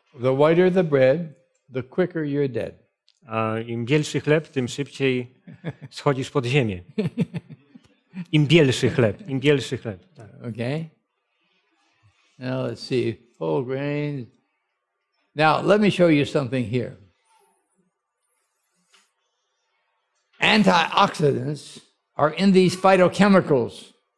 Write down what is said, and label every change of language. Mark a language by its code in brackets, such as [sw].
[en] The whiter the bread, the quicker you're dead. [pl] A im bielszy chleb, tym szybciej schodzisz pod ziemię. Im bielszy chleb, im bielszy chleb. [en] Okay. Now let's see, whole grains. Now let me show you something here. Antioxidants are in these phytochemicals.